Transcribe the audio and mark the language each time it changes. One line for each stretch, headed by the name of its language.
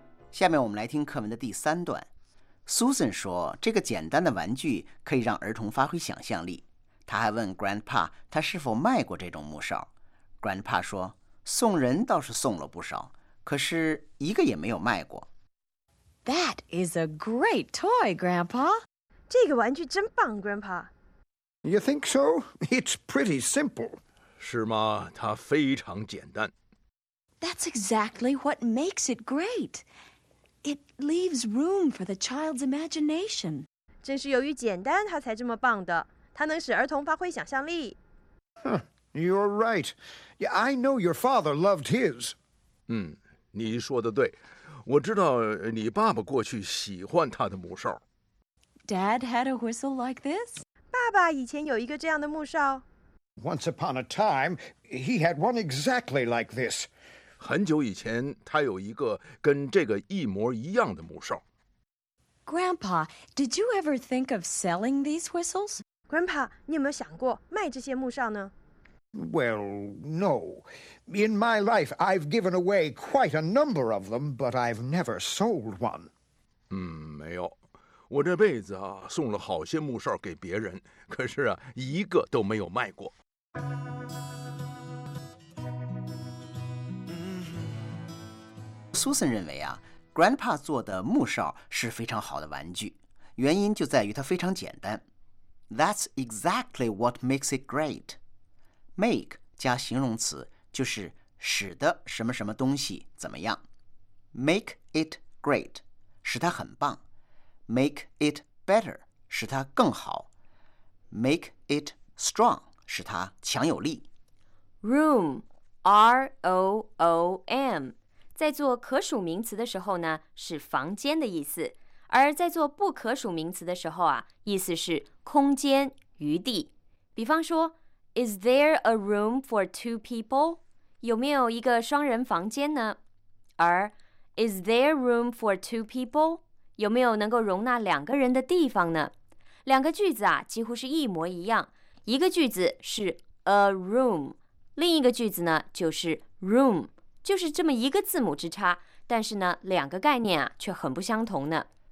Chinese: 下面我们来听课文的第三段Susan 说这个简单的玩具可以让儿童发挥想象力。他还问 Grandpa 他是否卖过这种木哨。Grandpa 说送人倒是送了不少可是一个也没有卖过。
English: That is a great toy, Grandpa.
Chinese: 这个玩具真棒 Grandpa.
English: You think so? It's pretty simple.
Chinese: 是吗它非常简单。
English: That's exactly what makes it great. It leaves room for the child's imagination.
Chinese: 正是由于简单它才这么棒的。它能使儿童发挥想象力。
English: Huh, you're right. Yeah, I know your father loved his.
Chinese: 你说的对。我知道你爸爸过去喜欢他的木哨。
English: Dad had a whistle like this?
Chinese: 爸爸以前有一个这样的木哨。
English: Once upon a time, he had one exactly like this.
Chinese: 很久以前他有一个跟这个一模一样的木哨。
English: Grandpa, did you ever think of selling these whistles?
Chinese: Grandpa, 你有没有想过卖这些木哨呢?
English: Well, no. In my life, I've given away quite a number of them, but I've never sold one.
Chinese: 没有。我这辈子啊，送了好些木哨给别人，可是啊，一个都没有卖过。 Susan 认为啊 ,Grandpa 做的木哨是非常好的玩具。原因就在于它非常简单。
English: That's exactly what makes it great.
Chinese: Make 加形容词就是使得什么什么东西怎么样。
English: Make it great,
Chinese: 使它很棒。
English: Make it better,
Chinese: 使它更好。
English: Make it strong,
Chinese: 使它强有力。
English: Room, R-O-O-M.
Chinese: 在做可数名词的时候呢是房间的意思而在做不可数名词的时候啊意思是空间余地比方说
English: Is there a room for two people?
Chinese: 有没有一个双人房间呢而
English: Is there room for two people?
Chinese: 有没有能够容纳两个人的地方呢两个句子啊几乎是一模一样一个句子是 a room 另一个句子呢就是 room就是这么一个字母之差但是呢两个概念啊却很不相同呢